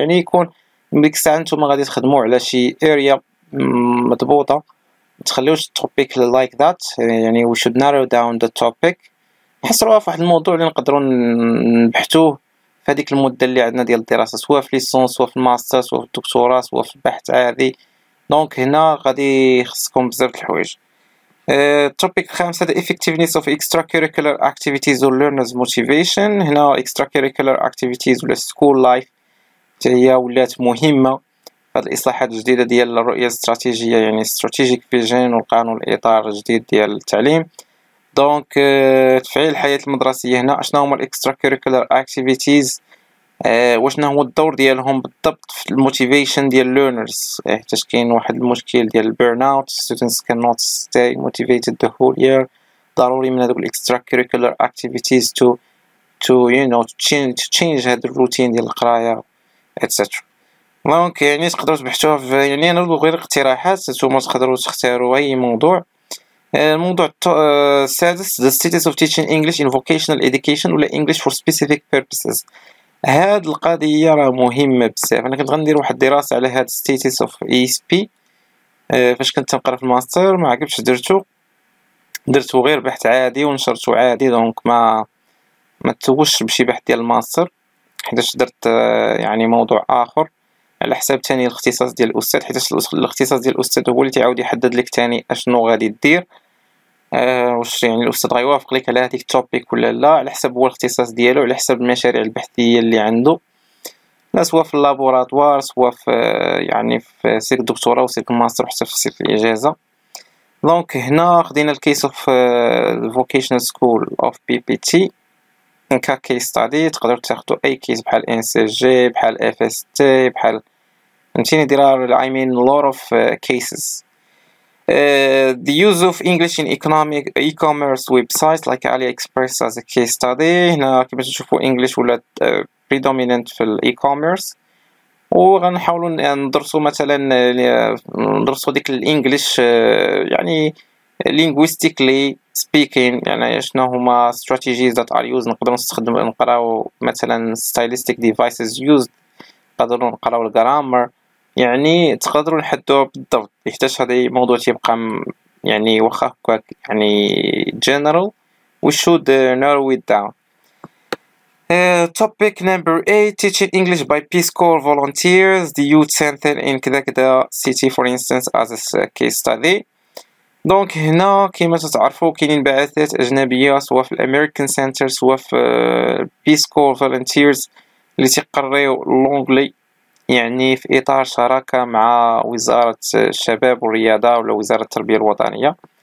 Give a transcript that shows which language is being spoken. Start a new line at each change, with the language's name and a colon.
Arabic: يعني يكون ديك الساعه انتم غادي تخدموا على شي اريا مضبوطه، ما تخليوش التوبيك
English: Like that.
Arabic: يعني
English: we should narrow down the topic,
Arabic: نحصروا في واحد الموضوع اللي نقدروا نبحثوه في هذيك المده اللي عندنا ديال الدراسه، سواء في ليسونس سواء في الماستر سواء في الدكتوراه سواء في البحث عادي. دونك هنا غادي خصكم بزاف د الحوايج. التوبيك الخامسة
English: the effectiveness of extracurricular activities or learners motivation.
Arabic: هنا extracurricular activities ولا school life هي ولات مهمة بعد الإصلاحات الجديدة ديال الرؤية الاستراتيجية، يعني
English: strategic vision
Arabic: والقانون الإطار الجديد ديال التعليم. دونك تفعيل الحياة المدرسية، هنا شنو هما extracurricular activities، وشنو هو الدور ديالهم بالضبط في الموتيفيشن ديال learners. حيتاش كاين واحد المشكل ديال
English: burnout، students cannot stay motivated the whole year.
Arabic: ضروري من هذوك
English: extracurricular activities to you know to change
Arabic: هذا الروتين ديال القراية
English: etc.
Arabic: دونك يعني تقدروا تبحثوا في، يعني انا غير اقتراحات، نتوما تقدروا تختاروا اي موضوع. الموضوع السادس
English: the status of teaching English in vocational education ولا English for specific purposes.
Arabic: هاد القضيه راه مهمه بزاف. انا كنت غندير واحد الدراسه على هاد
English: status of ESP
Arabic: فاش كنت نقرا في الماستر، ما عجبش درتو غير بحث عادي ونشرته عادي. دونك ما توش بشي بحث ديال الماستر، حيتاش درت يعني موضوع اخر على حساب تاني الاختصاص ديال الاستاذ، حيتاش الاختصاص ديال الاستاذ هو اللي تعاود يحدد لك تاني اشنو غادي دير، واش يعني الاستاذ غيوافق لك على هذيك التوبيك ولا لا، على حساب هو الاختصاص ديالو، على حساب المشاريع البحثيه اللي عنده، لا سواء في اللابوراتوار سواء في يعني في سير الدكتوراه وسير الماستر حتى في سير الاجازه. دونك هنا خدينا
English: الكيس of vocational school of B B T case study.
Arabic: تقدر تاخذوا اي كيس بحال ان سي جي بحال اف اس تي بحال نتيني درار
English: I mean lot of cases. The use of English in economic e-commerce websites like AliExpress as a case study.
Arabic: هنا كيما تشوفوا English ولا predominant في الإيكوميرس، وغنحاولوا ندرسوا مثلا ندرسوا ديك الإنجليش يعني
English: linguistically speaking،
Arabic: يعني شنو هما
English: strategies that are used.
Arabic: نقدروا نستخدم نقراو مثلا
English: stylistic devices used،
Arabic: نقدروا نقراو الجرامر، يعني تقدروا نحدوا بالضبط. يحتاج هذا الموضوع يبقى يعني واخا هكاك يعني general
English: we should narrow it down. Topic number 8 teaching English by Peace Corps volunteers the youth center in Kedakda city for instance as a case study.
Arabic: دونك هنا كيما تعرفوا كاينين بعثات اجنبيه سواء في الامريكان سنتر سواء في Peace Corps volunteers اللي تيقريو لونغلي، يعني في اطار شراكه مع وزاره الشباب والرياضه ولا وزاره التربيه الوطنيه.